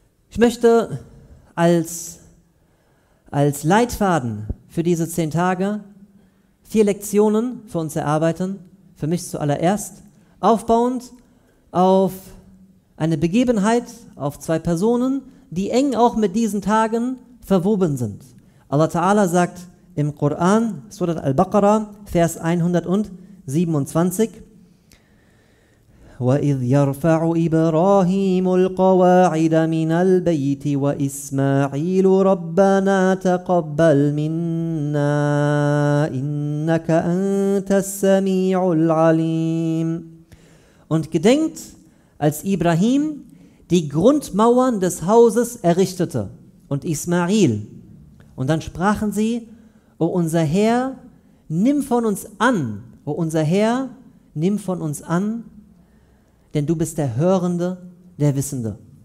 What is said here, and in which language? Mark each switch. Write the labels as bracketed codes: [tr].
[de] Ich möchte als Leitfaden für diese 10 Tage 4 Lektionen für uns erarbeiten, für mich zuallererst, aufbauend auf eine Begebenheit, auf 2 Personen, die eng auch mit diesen Tagen verwoben sind. Allah Ta'ala sagt im Koran, Surat Al-Baqarah, Vers 127, [ar] وَإِذْ يَرْفَعُ إِبْرَاهِيمُ الْقَوَاعِدَ مِنَ الْبَيْتِ وَإِسْمَاعِيلُ رَبَّنَا تَقَبَّلْ مِنَّا إِنَّكَ أَنْتَ السَّمِيعُ الْعَلِيمُ. [de] Und gedenkt, als Ibrahim die Grundmauern des Hauses errichtete und Ismail. Und dann sprachen sie, O unser Herr, nimm von uns an, O unser Herr, nimm von uns an, denn du bist der Hörende, der Wissende.